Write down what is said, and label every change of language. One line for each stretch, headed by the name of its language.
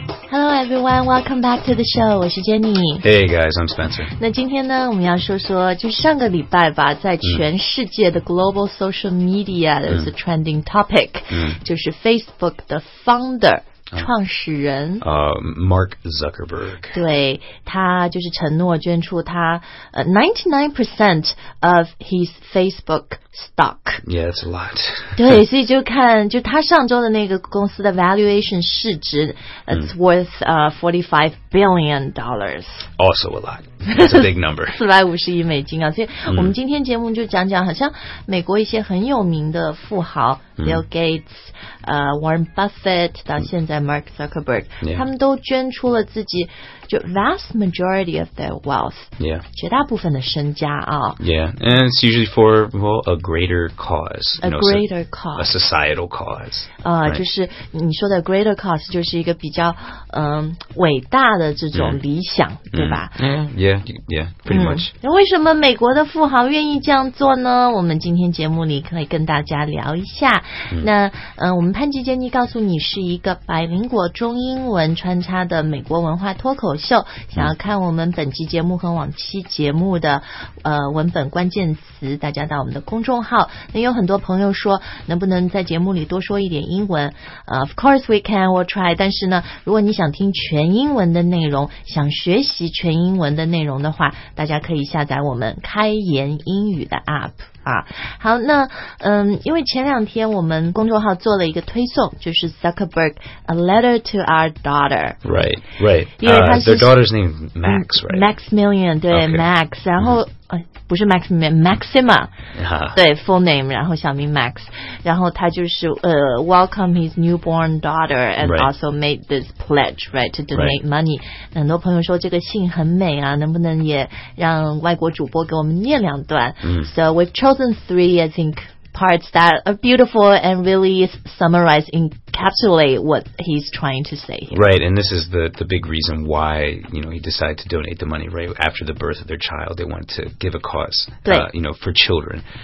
English: Hello everyone, welcome back to the show.
Chinese: 我是 Jenny.
English: Hey guys, I'm Spencer.
Chinese: 那今天呢，我们要说说，就是上个礼拜吧，在全世界的 global social media is a trending topic. 就是 Facebook 的 founder. 创始人、
English: Mark Zuckerberg
Chinese: 对他就是承诺捐出他、 99% of his Facebook stock
English: Yeah, it's a lot
Chinese: 对所以就看就他上周的那个公司的 valuation 市值、 It's worth、$ 45 billion
English: Also a lot That's a big number
Chinese: 450亿美金啊所以我们今天节目就讲讲好像美国一些很有名的富豪、Bill Gates、Warren Buffett 到现在Mark Zuckerberg、
English: yeah.
Chinese: 他们都捐出了自己就 vast majority of their wealth、
English: yeah.
Chinese: 绝大部分的身家、哦、
English: Yeah, and it's usually for well, a greater cause A you know, greater cause A societal cause、 right?
Chinese: 就是你说的 greater cause 就是一个比较、伟大的这种理想、mm. 对吧、
English: mm. Yeah, pretty much、
Chinese: 嗯、为什么美国的富豪愿意这样做呢我们今天节目里可以跟大家聊一下、那、我们潘吉杰尼告诉你是一个百灵果中英文穿插的美国文化脱口秀想要看我们本期节目和往期节目的、文本关键词大家到我们的公众号那有很多朋友说能不能在节目里多说一点英文、 Of course we can, we'll try 但是呢如果你想听全英文的内容想学习全英文的内容的话大家可以下载我们开言英语的 APP啊，好，那因为前两天我们公众号做了一个推送，就是 Zuckerberg a letter to our daughter.
English: Right, right.
Chinese: 因为他是、
English: their daughter's name Max, right?
Chinese: Maximilian, 对、
English: okay. Max.
Chinese: 然后、不是 Maximilian, Maxima.、对 full name, 然后小名 Max.
English: 然后他就是 welcome his newborn daughter and、 right. also made this pledge, right, to donate、 right. money.
Chinese: 很多朋友说这个信很美啊，能不能也让外国主播给我们念两段？
English: So we've chosen three, I think, parts that are beautiful and really summarize, encapsulate what he's trying to say here. Right, and this is the big reason why, you know, he decided to donate the money, right? After the birth of their child, they want to give a cause, you know, for children.